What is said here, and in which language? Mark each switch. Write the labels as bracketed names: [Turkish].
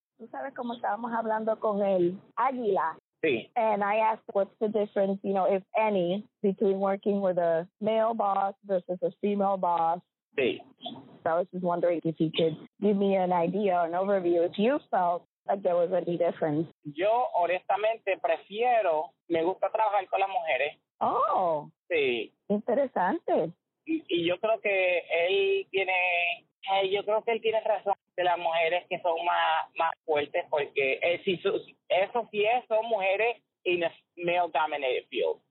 [Spanish] ¿Tú sabes cómo estábamos hablando con el águila? Sí. [English] And I asked what's the difference, you know, if any, between working with a male boss versus a female boss. [Spanish] Sí. [English] So I was just wondering if you could give me an idea, an overview, if you felt like there was any difference. [Spanish] Yo, honestamente, prefiero, me gusta trabajar con las mujeres. Oh. Sí. Interesante. Y yo creo que él tiene, yo creo que él tiene razón de las mujeres que son más fuertes, porque eso sí es, son mujeres [English] in a male-dominated field.